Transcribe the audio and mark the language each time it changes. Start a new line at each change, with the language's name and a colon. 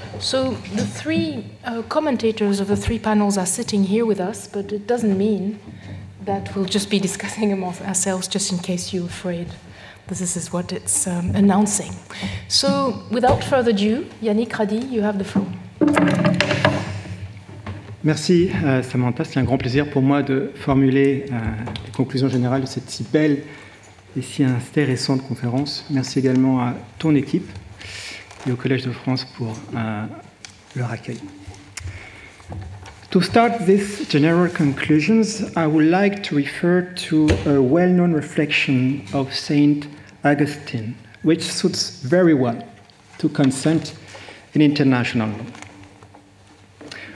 English: So the three commentators of the three panels are sitting here with us, but it doesn't mean that we'll just be discussing among ourselves, just in case you're afraid that this is what it's announcing. So without further ado, Yannick Radi, you have the floor.
French: Merci Samantha, c'est un grand plaisir pour moi de formuler les conclusions générales de cette si belle et si intéressante conférence. Merci également à ton équipe et au Collège de France pour leur accueil.
English: To start this general conclusions, I would like to refer to a well-known reflection of Saint Augustine, which suits very well to consent in international law.